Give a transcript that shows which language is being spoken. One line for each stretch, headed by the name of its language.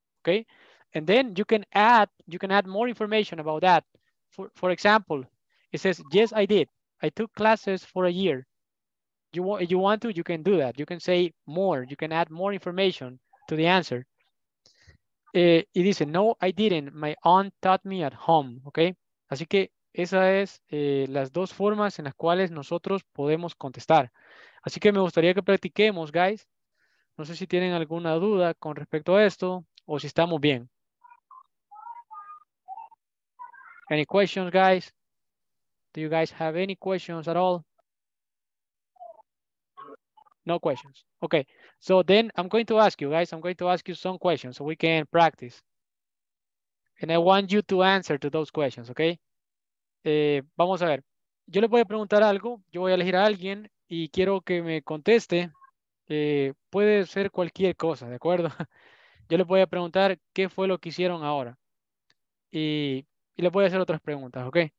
English: Okay, and then you can add more information about that. For example, it says yes, I did, I took classes for a year. You want to, you can do that. You can say more, you can add more information to the answer. It is a no, I didn't, my aunt taught me at home. Okay.
Spanish: Así que esas es las dos formas en las cuales nosotros podemos contestar. Así que me gustaría que practiquemos, guys. No sé si tienen alguna duda con respecto a esto o si estamos bien.
English: Any questions, guys? Do you guys have any questions at all? No questions. Okay. So then I'm going to ask you, guys. I'm going to ask you some questions so we can practice. And I want you to answer to those questions, okay?
Spanish: Vamos a ver. Yo le voy a preguntar algo. Yo voy a elegir a alguien y quiero que me conteste. Puede ser cualquier cosa, ¿de acuerdo? Yo le voy a preguntar qué fue lo que hicieron ahora. Y le voy a hacer otras preguntas, ¿ok?